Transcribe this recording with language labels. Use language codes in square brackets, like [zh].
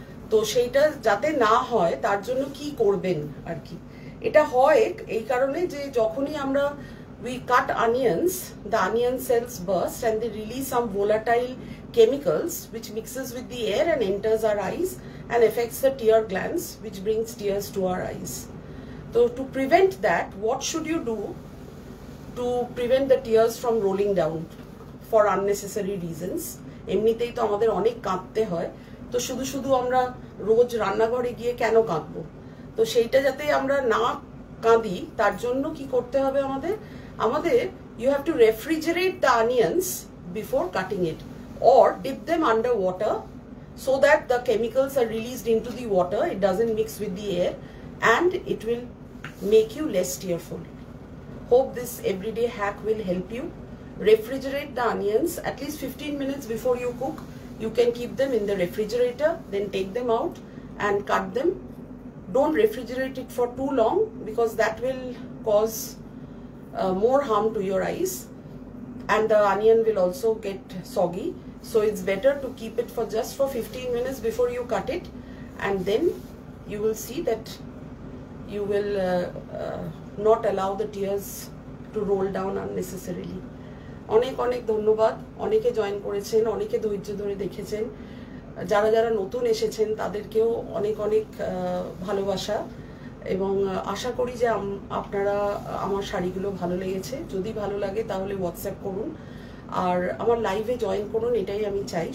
[bn] তো সেইটা যাতে না হয় তার জন্য কি করবেন আর কি? এটা হয় এই কারণে যে যখনই আমরা [en] We cut onions, the onion cells burst and they release some volatile chemicals which mixes with the air and enters our eyes and affects the tear glands which brings tears to our eyes. তো to prevent that, what should you do to prevent the tears from rolling down for unnecessary reasons? [bn] এমনিতেই তো আমাদের অনেক কাঁদতে হয়, তো শুধু শুধু আমরা রোজ রান্নাঘরে গিয়ে কেন কাঁদব? তো সেইটা যাতে আমরা না কাঁদি তার জন্য কি করতে হবে আমাদের? [en] আমাদের you have to refrigerate the onions before cutting it or dip them under water so that the chemicals are released into the water, it doesn't mix with the air and it will make you less tearful. Hope this everyday hack will help you. Refrigerate the onions at least 15 minutes before you cook. You can keep them in the refrigerator, then take them out and cut them. Don't refrigerate it for too long because that will cause more harm to your eyes and the onion will also get soggy. So it's better to keep it for just for 15 minutes before you cut it, and then you will see that you will not allow the tears to roll down unnecessarily. [bn] অনেক অনেক ধন্যবাদ, অনেকে join করেছেন, অনেকে ধৈর্য ধরে দেখেছেন, যারা যারা নতুন এসেছেন তাদেরকেও অনেক অনেক ভালোবাসা, এবং আশা করি যে আপনারা আমার শাড়িগুলো ভালো লেগেছে। যদি ভালো লাগে তাহলে হোয়াটসঅ্যাপ করুন আর আমার লাইভে জয়েন করুন, এটাই আমি চাই।